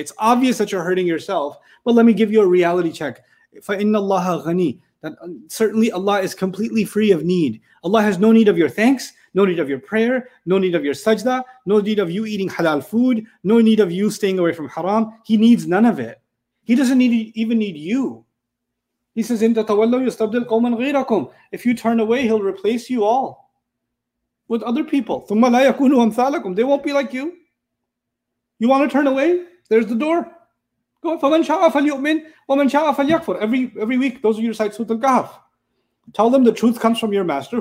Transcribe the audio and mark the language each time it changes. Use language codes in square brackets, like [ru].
[en] It's obvious that you're hurting yourself. But let me give you a reality check. [ar] فَإِنَّ اللَّهَ غَنِي. [en] That certainly Allah is completely free of need. Allah has no need of your thanks, no need of your prayer, no need of your sajda, no need of you eating halal food, no need of you staying away from haram. He needs none of it. He doesn't even need you. He says, [ar] إِن تَتَوَلَّوْ يُسْتَبْدِلْ قَوْمًا غَيْرَكُمْ. [en] If you turn away, he'll replace you all with other people. [ar] ثُمَّ لَا يَكُونُ أَمْثَالَكُمْ. [en] They won't be like you. You want to turn away? There's the door. Go. [ar] فَمَنْ شَاءَ فَلْيُؤْمِنْ وَمَنْ شَاءَ فَلْيَكْفُرْ. [en] Every week, those of you recite Surah Al-Kahf. Tell them the truth comes from your master.